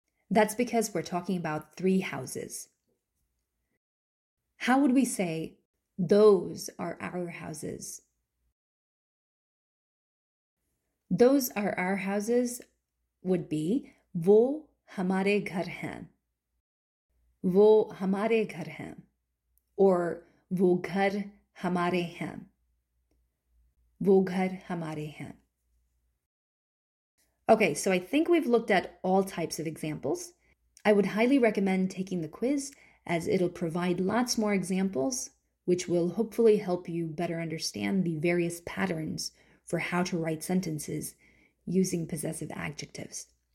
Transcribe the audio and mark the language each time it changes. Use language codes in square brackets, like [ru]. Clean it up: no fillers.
[en] That's because we're talking about three houses. How would we say those are our houses? Those are our houses would be [hi] वो हमारे घर हैं. वो हमारे घर हैं. [en] Or [hi] वो घर हमारे हैं. वो घर हमारे हैं. [en] Okay, so I think we've looked at all types of examples. I would highly recommend taking the quiz as it'll provide lots more examples, which will hopefully help you better understand the various patterns for how to write sentences using possessive adjectives.